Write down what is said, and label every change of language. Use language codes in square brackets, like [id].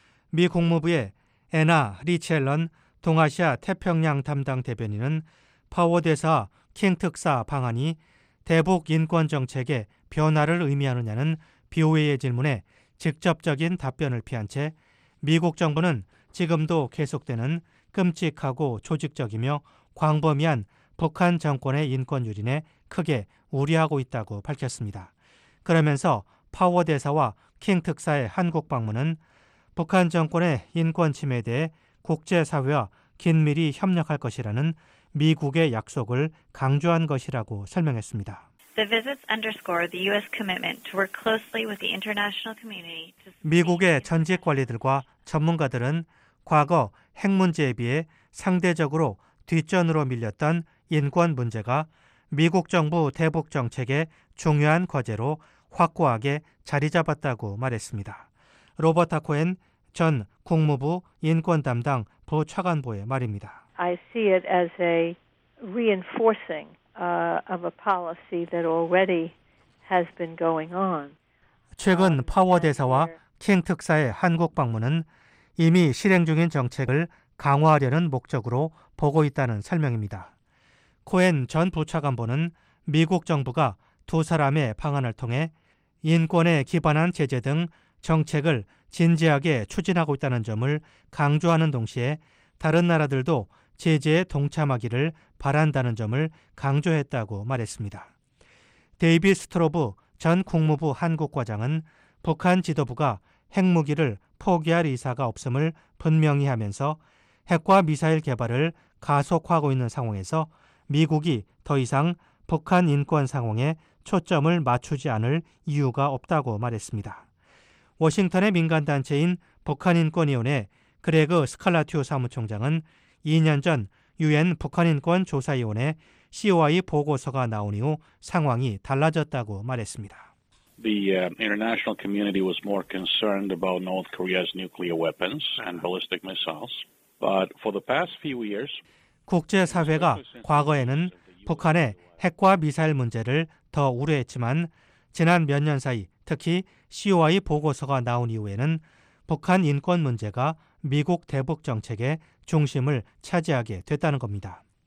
[ko] 미 국무부의 애나 리첼런 동아시아 태평양 담당 대변인은 파워 대사 킹 특사 방안이 대북 인권 정책의 변화를 의미하느냐는 BOA의 질문에 직접적인 답변을 피한 채 미국 정부는 지금도 계속되는 끔찍하고 조직적이며 광범위한 북한 정권의 인권 유린에 크게 우려하고 있다고 밝혔습니다. 그러면서 파워 대사와 킹 특사의 한국 방문은 북한 정권의 인권 침해에 대해 국제사회와 긴밀히 협력할 것이라는 미국의 약속을 강조한 것이라고 설명했습니다. [en] The visits underscore the U.S. commitment to work closely with the international community. [ko] 미국의 전직 관리들과 전문가들은 과거 핵 문제에 비해 상대적으로 뒷전으로 밀렸던 인권 문제가 미국 정부 대북 정책의 중요한 과제로 확고하게 자리 잡았다고 말했습니다. 로버타 코엔 전 국무부 인권 담당 부차관보의 말입니다. I see it as a reinforcing of a policy that already has been going on. 최근 파워 대사와 킹 특사의 한국 방문은 이미 실행 중인 정책을 강화하려는 목적으로 보고 있다는 설명입니다. 코엔 전 부차관보는 미국 정부가 두 사람의 방안을 통해 인권에 기반한 제재 등 정책을 진지하게 추진하고 있다는 점을 강조하는 동시에 다른 나라들도 제재에 동참하기를 바란다는 점을 강조했다고 말했습니다. 데이비 스트로브 전 국무부 한국과장은 북한 지도부가 핵무기를 포기할 의사가 없음을 분명히 하면서 핵과 미사일 개발을 가속화하고 있는 상황에서 미국이 더 이상 북한 인권 상황에 초점을 맞추지 않을 이유가 없다고 말했습니다. 워싱턴의 민간단체인 북한인권위원회 그레그 스칼라티오 사무총장은 2년 전 유엔 북한인권조사위원회 COI 보고서가 나온 이후 상황이 달라졌다고 말했습니다. [en] The international community was more concerned about North Korea's nuclear weapons and ballistic missiles. But for the past few years, [ko] 국제사회가 과거에는 북한의 핵과 미사일 문제를 더 우려했지만 지난 몇 년 사이 특히 COI 보고서가 나온 이후에는 북한 인권 문제가 미국 대북 정책의 중심을 차지하게 됐다는 겁니다.